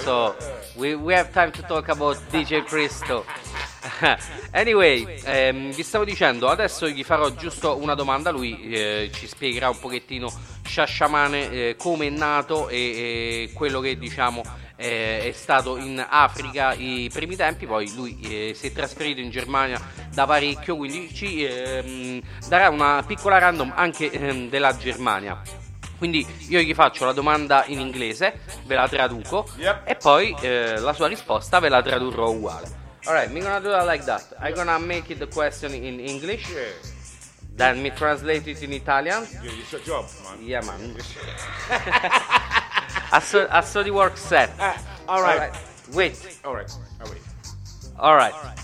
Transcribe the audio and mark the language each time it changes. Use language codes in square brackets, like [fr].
[en] So we have time to talk about DJ Priest. [it] Anyway, vi stavo dicendo, adesso gli farò giusto una domanda, lui ci spiegherà un pochettino Shashamane come è nato e quello che diciamo è stato in Africa i primi tempi, poi lui si è trasferito in Germania da parecchio, quindi ci darà una piccola random anche della Germania. Quindi io gli faccio la domanda in inglese, ve la traduco, yep. E poi la sua risposta ve la tradurrò uguale. [en] All right, we're gonna do it like that. I'm gonna make it the question in English. Yeah. Then me translate it in Italian. Yeah, it's your job, man. Yeah, man. I saw the work set. All right. Wait. All right. I wait. All right.